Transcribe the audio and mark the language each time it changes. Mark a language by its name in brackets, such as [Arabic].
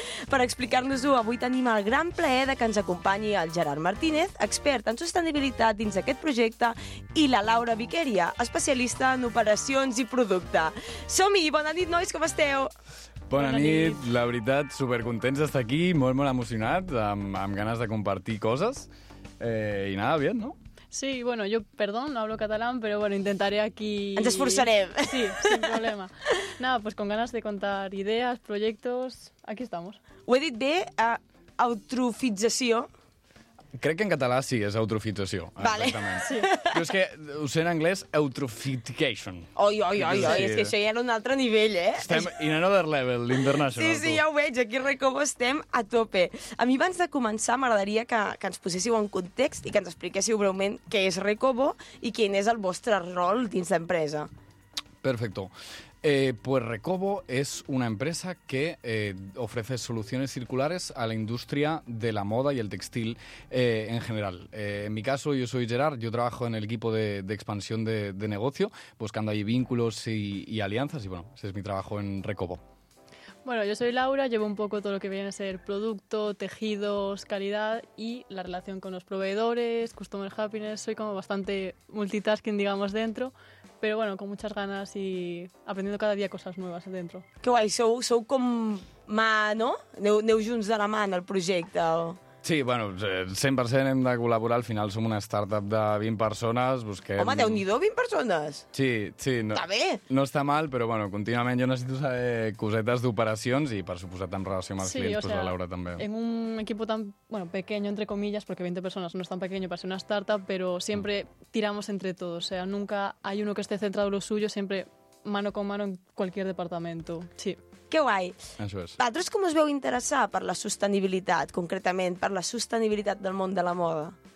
[Catalan] Per explicar-nos-ho, avui tenim el gran plaer de que ens acompanyi el Gerard Martínez, expert en sostenibilitat dins d'aquest projecte, i la Laura Viqueria, especialista en operacions i producte. Som-hi! Bona nit, nois, com esteu? Bona nit. La veritat, supercontents d'estar aquí, molt, molt emocionat, amb ganes de compartir coses. [Spanish] I nada, bien, no? Sí, bueno, yo, perdón, no hablo catalán, pero bueno, intentaré aquí... [Catalan] ¡Ens esforçarem! [Spanish] Sí, sin problema. Nada, pues con ganas de contar ideas, proyectos... Aquí estamos. [Catalan] Ho he dit bé, eutrofització. Crec que en català sí, és eutrofització. Vale. Sí. Però és que ho sé en anglès, eutrofication. Oi, és que això ja era un altre nivell, eh? Estem [English] in another level, l'international. [Catalan] Sí, ja ho veig, aquí Recobo estem a tope. A mi abans de començar m'agradaria que ens poséssiu en context i que ens expliquéssiu breument què és Recobo i quin és el vostre rol dins d'empresa. [Spanish] Perfecto. Pues Recobo es una empresa que ofrece soluciones circulares a la industria de la moda y el textil en general. En mi caso, yo soy Gerard, yo trabajo en el equipo de expansión de negocio, buscando ahí vínculos y alianzas, y bueno, ese es mi trabajo en Recobo. Bueno, yo soy Laura, llevo un poco todo lo que viene a ser producto, tejidos, calidad y la relación con los proveedores, customer happiness, soy como bastante multitasking, digamos, dentro. Pero bueno, con muchas ganas y aprendiendo cada día cosas nuevas dentro. [Catalan] Qué guay, sou com mà, no? Aneu junts de la mà en el projecte. O... Sí, bueno, 100% hem de col·laborar. Al final som una startup de 20 persones. Busquem... Home, Déu-n'hi-do, 20 persones. Sí. No, està bé. No està mal, però bueno, contínuament jo necessito saber cosetes d'operacions i, per suposat, en relació amb els clients, pues, la Laura també. [Spanish] En un equipo tan, bueno, pequeño, entre comillas, porque 20 personas no es tan pequeño para ser una startup, pero siempre tiramos entre todos. O sea, nunca hay uno que esté centrado en lo suyo, siempre mano con mano en cualquier departamento. Sí. [Catalan] Que guai. Això és. Vosaltres com us veu interessar per la sostenibilitat, concretament, per la sostenibilitat del món de la moda?